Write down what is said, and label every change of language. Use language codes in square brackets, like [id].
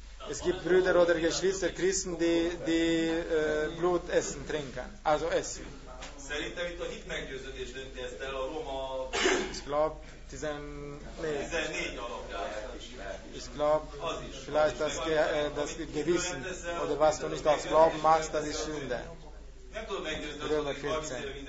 [de] Es gibt Brüder oder Geschwister, Christen, die Blut essen, trinken. [hu] Also eszik. Szerintem itt a hit meggyőződés dönti ezt el a Roma... [de] Ich glaub, [hu] 14 alapján. [de] Ich glaube, vielleicht das Gewissen, oder was du nicht aus Glauben machst, das ist Sünde. Römer 14.